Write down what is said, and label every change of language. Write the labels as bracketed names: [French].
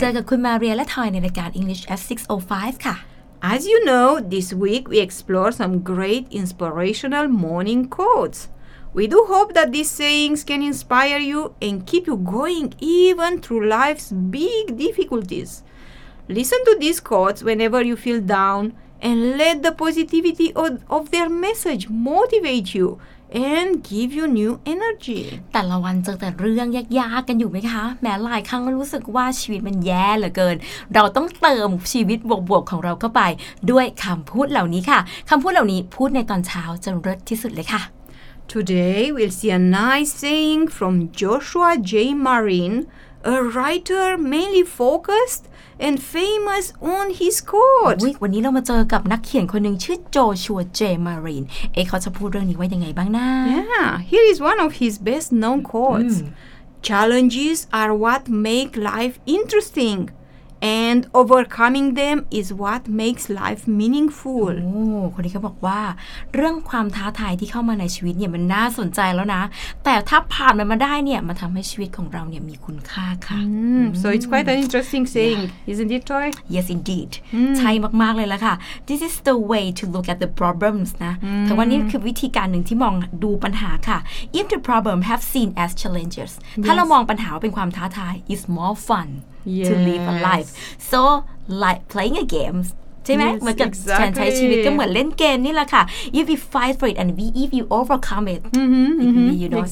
[Thai] เจอกับคุณ Maria และ Toy ในรายการ English at 6:05 ค่ะ [English] As you know, this week we explore some great inspirational morning quotes. We do hope that these sayings can inspire you and keep you going even through life's big difficulties. Listen to these quotes whenever you feel down and let the positivity of their message motivate you. And give you new energy. [Thai] แต่ละวันเจอแต่เรื่องยากๆกันอยู่ไหมคะแม้หลายครั้งก็รู้สึกว่าชีวิตมันแย่เหลือเกินเราต้องเติมชีวิตบวกๆของเราเข้าไปด้วยคำพูดเหล่านี้ค่ะคำพูดเหล่านี้พูดในตอนเช้าจะรสที่สุดเลยค่ะ [English] Today we'll see a nice saying from Joshua J. Marin, a writer mainly focused. And famous on his quote. [Thai] วันนี้เรามาเจอกับนักเขียนคนหนึ่งชื่อโจชัวเจมารีนเขาจะพูดเรื่องนี้ว่ายังไงบ้างนะ [English] Yeah, here is one of his best known quotes. Challenges are what make life interesting, and overcoming them is what makes life meaningful. [Thai] โอ้คนนี้เขาบอกว่าเรื่องความท้าทายที่เข้ามาในชีวิตเนี่ยมันน่าสนใจแล้วนะแต่ถ้าผ่านมันมาได้เนี่ยมันทำให้ชีวิตของเราเนี่ยมีคุณค่าค่ะ [English] So it's quite an interesting saying, isn't it, Toy? Yes, indeed. [Thai] ใช่มากๆเลยล่ะค่ะ [English] This is the way to look at the problems [Thai] นะแต่วันนี้คือวิธีการหนึ่งที่มองดูปัญหาค่ะ [English] If the problem have seen as challenges yes. [Thai] ถ้าเรามองปัญหาเป็นความท้าทาย [English] it's more fun Yes. To live a life, so like playing a game, right? Yes, exactly. [Thai] ชีวิตก็เหมือนเล่นเกมนี่แหละค่ะ [English] If you fight for it and if you overcome it, you know,